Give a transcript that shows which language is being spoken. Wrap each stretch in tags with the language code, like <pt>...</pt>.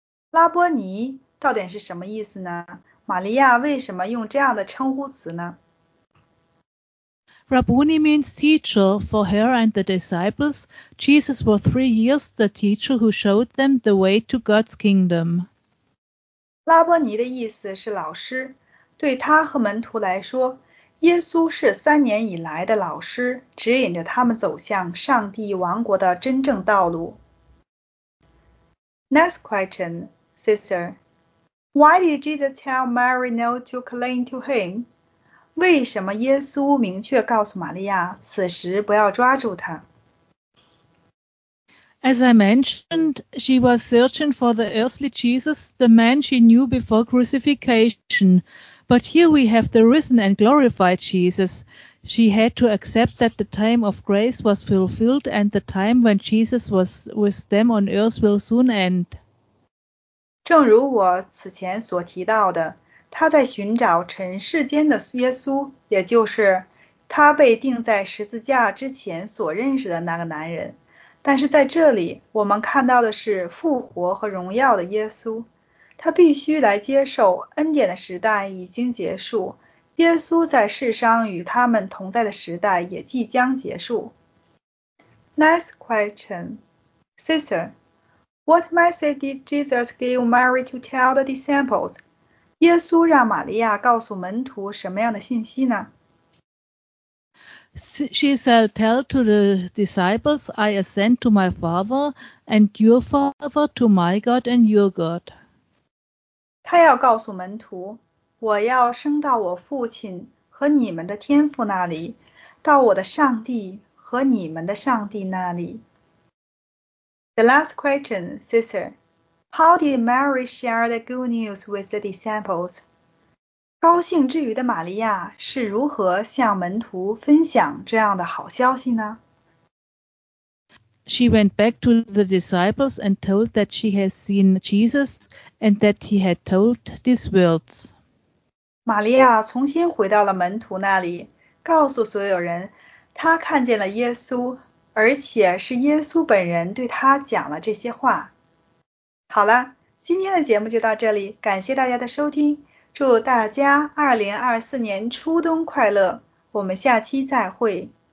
<zh>拉波尼到底是什么意思呢？玛利亚为什么用这样的称呼词呢？</zh> <en>Rabboni means teacher. For her and the disciples, Jesus was 3 years the teacher who showed them the way to God's kingdom.</en> <zh>拉波尼的意思是老师，对他和门徒来说，耶稣是3年以来的老师，指引着他们走向上帝王国的真正道路。</zh> <en>Next question, sister. Why did Jesus tell Mary not to cling to him?</en> <zh>为什么耶稣明确告诉玛利亚此时不要抓住他？</zh> <en>As I mentioned, she was searching for the earthly Jesus, the man she knew before crucifixion. But here we have the risen and glorified Jesus. She had to accept that the time of grace was fulfilled and the time when Jesus was with them on earth will soon end.</en> <zh>正如我此前所提到的，他在寻找尘世间的耶稣，也就是他被钉在十字架之前所认识的那个男人。但是在这里，我们看到的是复活和荣耀的耶稣。他必须来接受恩典的时代已经结束，耶稣在世上与他们同在的时代也即将结束。</zh> <en>Next question. Sister, what message did Jesus give Mary to tell the disciples?</en> <zh>耶稣让玛利亚告诉门徒什么样的信息呢？</zh> <en>She shall tell to the disciples, I ascend to my Father and your Father, to my God and your God.</en> <zh>他要告诉门徒，我要升到我父亲和你们的天父那里，到我的上帝和你们的上帝那里。</zh> <en>The last question, sister. How did Mary share the good news with the disciples?</en> <zh>高兴之余的玛利亚是如何向门徒分享这样的好消息呢？</zh> <en>She went back to the disciples and told that she had seen Jesus and that he had told these words.</en> <zh>玛利亚重新回到了门徒那里，告诉所有人她看见了耶稣，而且是耶稣本人对她讲了这些话。好了，今天的节目就到这里，感谢大家的收听，祝大家2024年初冬快乐，我们下期再会。</zh>